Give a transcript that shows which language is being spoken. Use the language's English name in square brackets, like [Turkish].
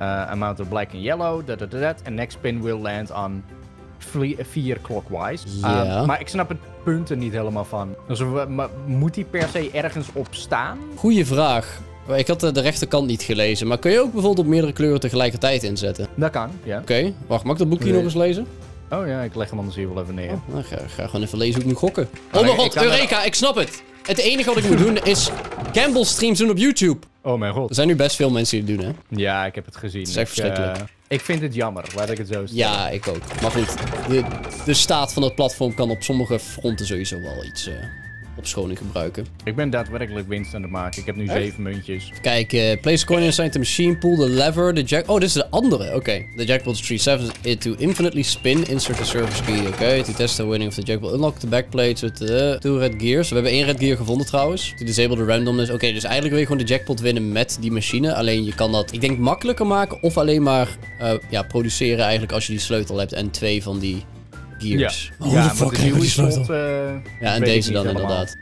[English] amount of black and yellow, and next spin will land on 4 clockwise. Yeah. [Dutch] Maar ik snap het punt er niet helemaal van. Dus moet die per se ergens op staan? Goeie vraag. Ik had de rechterkant niet gelezen, maar kun je ook bijvoorbeeld op meerdere kleuren tegelijkertijd inzetten? Dat kan, ja. Oké, wacht, mag ik dat boekje nog eens lezen? Oh ja, ik leg hem anders hier wel even neer. Oh, ga gewoon even lezen hoe ik moet gokken. Oh mijn god, Eureka, ik snap het! Het enige wat ik moet doen is gamble streams doen op YouTube. Oh mijn god. Er zijn nu best veel mensen die het doen, hè? Ja, ik heb het gezien. Het is echt verschrikkelijk. Ik vind het jammer, laat ik het zo zeggen. Ja, ik ook. Maar goed, de staat van het platform kan op sommige fronten sowieso wel iets opschoning gebruiken. Ik ben daadwerkelijk winst aan het maken. Ik heb nu 7 muntjes. [English] Kijk, place a coin inside the machine, pull the lever, the jack... [Dutch] Oh, dit is de andere, oké. [English] Okay. The jackpot is 3 sevens, it to infinitely spin, insert the service key, oké. To test the winning of the jackpot, unlock the backplate with 2 red gears. [Dutch] We hebben 1 red gear gevonden trouwens. [English] To disable the randomness, [Dutch] oké. Dus eigenlijk wil je gewoon de jackpot winnen met die machine. Alleen je kan dat, ik denk, makkelijker maken of alleen maar produceren eigenlijk als je die sleutel hebt en 2 van die... [English] Gears. [Dutch] Ja. Oh, ja, de fuck heb die slot, ja, en deze dan helemaal. Inderdaad.